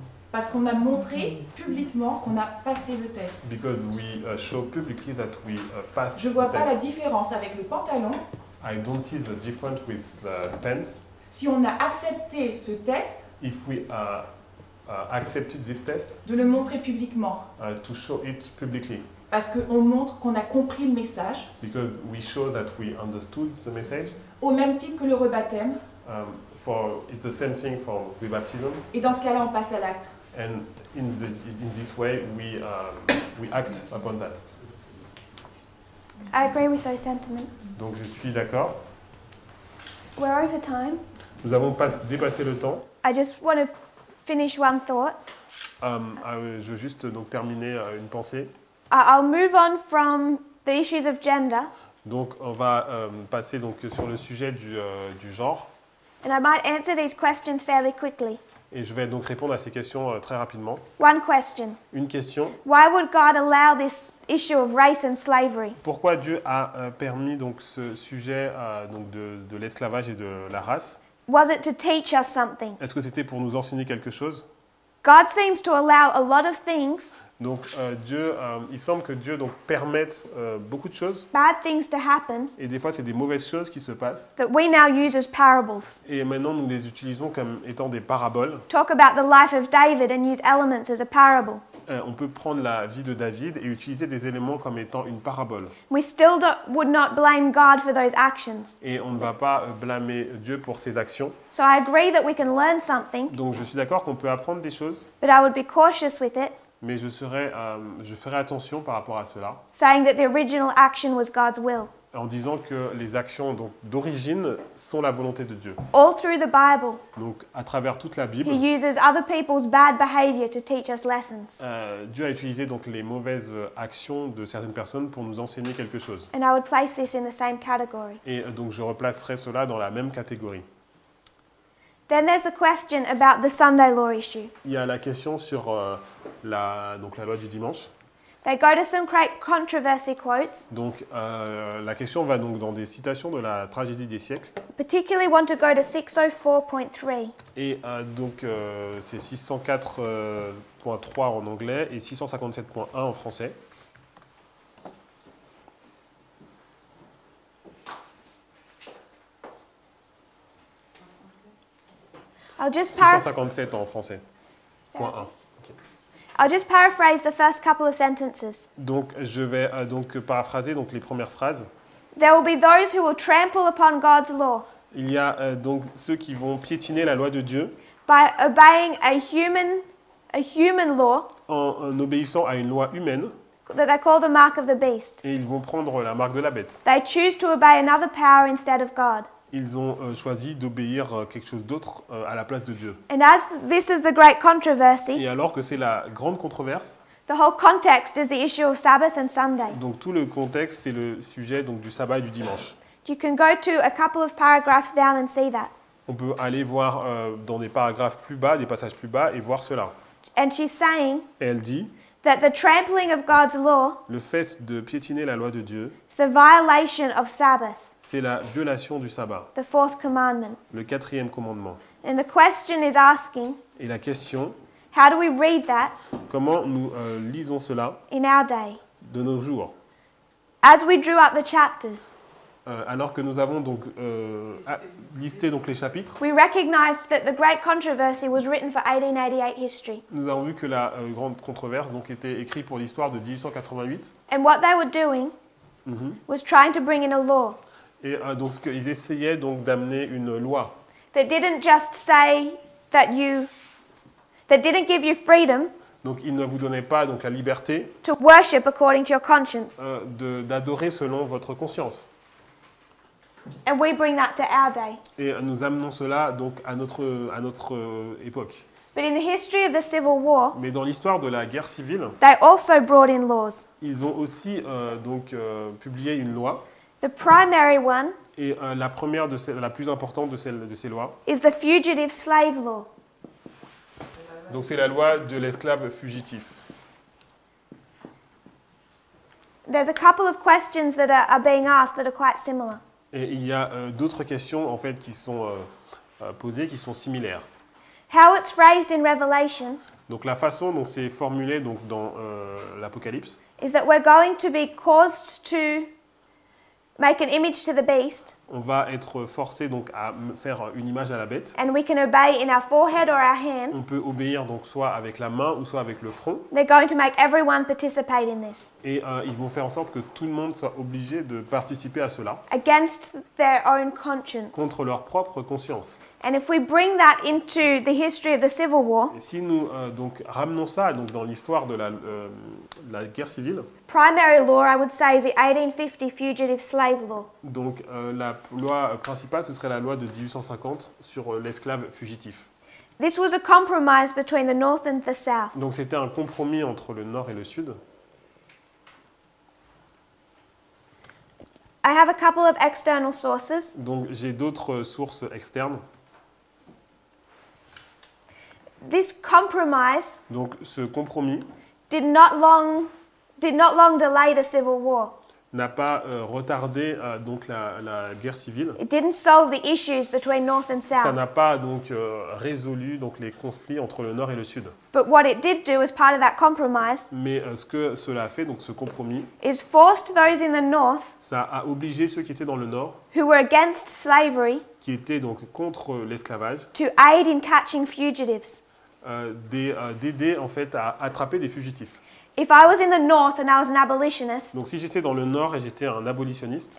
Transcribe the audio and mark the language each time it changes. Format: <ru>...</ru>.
<fr>Parce qu'on a montré publiquement qu'on a passé le test.</fr> <en>Because we show publicly that we passed.</en> <fr>Je vois</fr> <en>the</en> <fr>pas</fr> <en>test.</en> <fr>La différence avec le pantalon.</fr> <en>I don't see the difference with the pants.</en> <fr>Si on a accepté ce test.</fr> <en>If we accepted this test.</en> <fr>De le montrer publiquement.</fr> <en>To show it publicly.</en> <fr>Parce qu'on montre qu'on a compris le message.</fr> <en>Because we show that we understood the message.</en> <fr>Au même titre que le rebaptême.</fr> <en>It's the same thing for rebaptism.</en> <fr>Et dans ce cas-là, on passe à l'acte.</fr> <en>And in this way, we act upon that. I agree with those sentiments.</en> <fr>Donc je suis d'accord.</fr> <en>We're over time.</en> <fr>Nous avons dépassé le temps.</fr> <en>I just want to finish one thought.</en> <fr>Je veux juste donc terminer une pensée.</fr> <en>I'll move on from the issues of gender.</en> <fr>Donc on va passer donc sur le sujet du genre.</fr> <en>And I might answer these questions fairly quickly.</en> <fr>Et je vais donc répondre à ces questions très rapidement.</fr> <en>One question.</en> <fr>Une question.</fr> <en>Why would God allow this issue of race and slavery?</en> <fr>Pourquoi Dieu a permis donc ce sujet donc de l'esclavage et de la race?</fr> <en>Was it to teach us something?</en> <fr>Est-ce que c'était pour nous enseigner quelque chose?</fr> <en>God seems to allow a lot of things.</en> <fr>Donc il semble que Dieu donc permette beaucoup de choses.</fr> <en>Bad things to happen.</en> <fr>Et des fois c'est des mauvaises choses qui se passent.</fr> <en>That we now use as parables.</en> <fr>Et maintenant nous les utilisons comme étant des paraboles.</fr> <en>Talk about the life of David and use elements as a parable.</en> <fr>On peut prendre la vie de David et utiliser des éléments comme étant une parabole.</fr> <en>We still would not blame God for those actions.</en> <fr>Et on ne va pas blâmer Dieu pour ses actions.</fr> <en>So I agree that we can learn something.</en> <fr>Donc je suis d'accord qu'on peut apprendre des choses.</fr> <en>But I would be cautious with it.</en> <fr>Mais je ferai attention par rapport à cela.</fr> <en>Saying that the original action was God's will.</en> <fr>En disant que les actions donc, d'origine sont la volonté de Dieu.</fr> <en>All through the Bible.</en> <fr>Donc à travers toute la Bible.</fr> <en>He uses other people's bad behavior to teach us lessons.</en> <fr>Dieu a utilisé donc les mauvaises actions de certaines personnes pour nous enseigner quelque chose.</fr> <en>And I would place this in the same category.</en> <fr>Et donc je replacerai cela dans la même catégorie.</fr> <en>Then there's the question about the Sunday law issue.</en> <fr>Il y a la question sur la loi du dimanche.</fr> <en>They go to some great controversy quotes.</en> <fr>Donc la question va donc dans des citations de la tragédie des siècles.</fr> <en>Particularly want to go to 604.3.</en> <fr>Et c'est 604.3 en anglais et 657.1 en français.</fr> <en>I'll just</en> <fr>657 en français. Point 1.</fr> <en>Okay. I'll just paraphrase the first couple of sentences.</en> <fr>Donc je vais paraphraser donc les premières phrases.</fr> <en>There will be those who will trample upon God's law.</en> <fr>Il y a donc ceux qui vont piétiner la loi de Dieu.</fr> <en>By obeying a human law.</en> <fr>En obéissant à une loi humaine.</fr> <en>That they call the mark of the beast.</en> <fr>Et ils vont prendre la marque de la bête.</fr> <en>They choose to obey another power instead of God.</en> <fr>Ils ont choisi d'obéir quelque chose d'autre à la place de Dieu.</fr> <en>And as this is the great controversy,</en> <fr>et alors que c'est la grande controverse,</fr> <en>the whole context is the issue of Sabbath and Sunday.</en> <fr>Donc tout le contexte, c'est le sujet donc, du sabbat et du dimanche.</fr> <en>You can go to a couple of paragraphs down and see that.</en> <fr>On peut aller voir dans des paragraphes plus bas, des passages plus bas, et voir cela.</fr> <en>And she's saying,</en> <fr>et elle dit,</fr> <en>that the trampling of God's law,</en> <fr>le fait de piétiner la loi de Dieu,</fr> <en>is the violation of Sabbath.</en> <fr>C'est la violation du sabbat.</fr> <en>The fourth commandment.</en> <fr>Le quatrième commandement.</fr> <en>And the question is asking,</en> <fr>et la question,</fr> <en>how do we read that,</en> <fr>comment nous lisons cela</fr> <en>in our day,</en> <fr>de nos jours.</fr> <en>As we drew up the chapters,</en> <fr>alors que nous avons donc listé donc les chapitres,</fr> <en>we recognized that the great controversy was written for 1888 history.</en> <fr>Nous avons vu que la grande controverse donc, était écrite pour l'histoire de 1888.</fr> <en>And what they were doing, mm-hmm, was trying to bring in a law.</en> <fr>Et donc, ils essayaient donc d'amener une loi.</fr> <en>They didn't just say that you, they didn't give you freedom.</en> <fr>Donc, ils ne vous donnaient pas donc la liberté.</fr> <en>To worship according to your conscience.</en> <fr>D'adorer selon votre conscience.</fr> <en>And we bring that to our day.</en> <fr>Et nous amenons cela donc à notre époque.</fr> <en>But in the history of the Civil War.</en> <fr>Mais dans l'histoire de la guerre civile.</fr> <en>They also brought in laws.</en> <fr>Ils ont aussi publié une loi.</fr> <en>The primary one,</en> <fr>et la première de celles, la plus importante de ces lois,</fr> <en>is the fugitive slave law.</en> <fr>Donc c'est la loi de l'esclave fugitif.</fr> <en>There's a couple of questions that are being asked that are quite similar.</en> <fr>Et il y a d'autres questions en fait qui sont posées qui sont similaires.</fr> <en>How it's phrased in Revelation.</en> <fr>Donc la façon dont c'est formulé donc dans l'Apocalypse.</fr> <en>Is that we're going to be caused to make an image to the beast.</en> <fr>On va être forcé donc à faire une image à la bête.</fr> <en>And we can obey in our forehead or our hand.</en> <fr>On peut obéir donc soit avec la main ou soit avec le front.</fr> <en>They're going to make everyone participate in this.</en> <fr>Et ils vont faire en sorte que tout le monde soit obligé de participer à cela.</fr> <en>Against their own conscience.</en> <fr>Contre leur propre conscience.</fr> <en>And if we bring that into the history of the Civil War.</en> <fr>Et si nous donc ramenons ça donc dans l'histoire de la guerre civile.</fr> <en>Primary law, I would say, is the 1850 fugitive slave law.</en> <fr>Donc la loi principale, ce serait la loi de 1850 sur l'esclave fugitif.</fr> <en>This was a compromise between the north and the south.</en> <fr>Donc c'était un compromis entre le nord et le sud.</fr> <en>I have a couple of external sources.</en> <fr>Donc j'ai d'autres sources externes.</fr> <en>This compromise,</en> <fr>donc ce compromis,</fr> <en>did not long delay the Civil War.</en> <fr>n'a pas retardé donc la guerre civile.</fr> <en>It didn't solve the issues between north and south.</en> <fr>Ça n'a pas donc résolu donc les conflits entre le nord et le sud.</fr> <en>But what it did do as part of that compromise.</en> <fr>Mais ce que cela a fait donc ce compromis.</fr> <en>Is forced those in the north.</en> <fr>Ça a obligé ceux qui étaient dans le nord.</fr> <en>Who were against slavery.</en> <fr>Qui étaient donc contre l'esclavage.</fr> <en>To aid in catching fugitives.</en> <fr>D'aider en fait à attraper des fugitifs.</fr> <en>If I was in the north and I was an abolitionist.</en> <fr>Donc si j'étais dans le nord et j'étais un abolitionniste.</fr>